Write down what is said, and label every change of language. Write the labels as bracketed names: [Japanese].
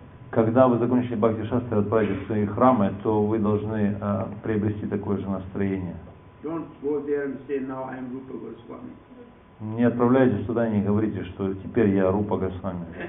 [Russian] Когда вы закончите Бхакти Шастри и отправитесь в свои храмы, то вы должны приобрести такое же настроение. [English] Don't go there and say, now I'm Rupa Goswami. [Russian] Не отправляйтесь туда и не говорите, что теперь я Рупа Госвами.